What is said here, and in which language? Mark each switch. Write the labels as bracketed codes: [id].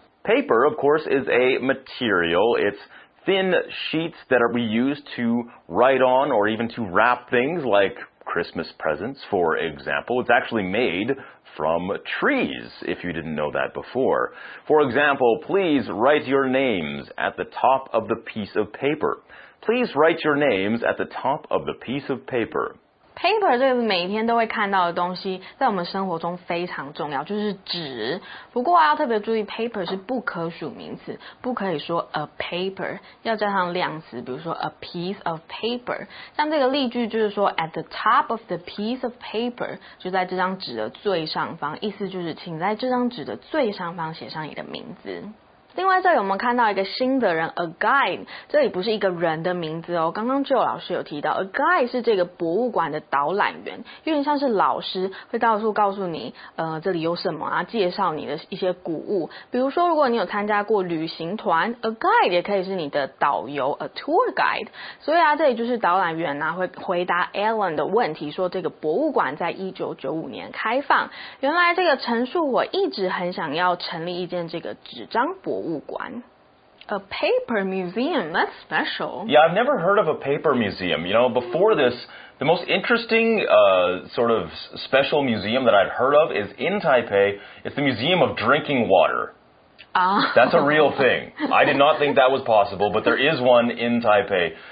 [en] Paper, of course, is a material. It's thin sheets that we use to write on or even to wrap things like Christmas presents, for example. It's actually made from trees, if you didn't know that before. For example, please write your names at the top of the piece of paper. Please write your names at the top of the piece of paper. [zh] Paper 这个每天都会看到的东西，在我们生活中非常重要，就是纸。不过要特别注意 ，paper 是不可数名词，不可以说 a paper， 要加上量词，比如说 a piece of paper。像这个例句就是说 ， [en] at the top of the piece of paper， [zh] 就在这张纸的最上方，意思就是请在这张纸的最上方写上你的名字。另外这里我们看到一个新的人 ,a guide, 这里不是一个人的名字哦，刚刚Joe老师有提到 ,a guide 是这个博物馆的导览员，有点像是老师会到处告诉你这里有什么啊，介绍你的一些古物。比如说如果你有参加过旅行团 ,a guide 也可以是你的导游 ,a tour guide。所以啊这里就是导览员啊会回答 Alan 的问题，说这个博物馆在1995年开放。原来这个陈述我一直很想要成立一件这个纸张博物馆。 [en] A paper museum, that's special. Yeah, I've never heard of a paper museum. You know, before this, the most interesting sort of special museum that I've heard of is in Taipei. It's the Museum of Drinking Water. That's a real thing. I did not think that was possible, but there is one in Taipei.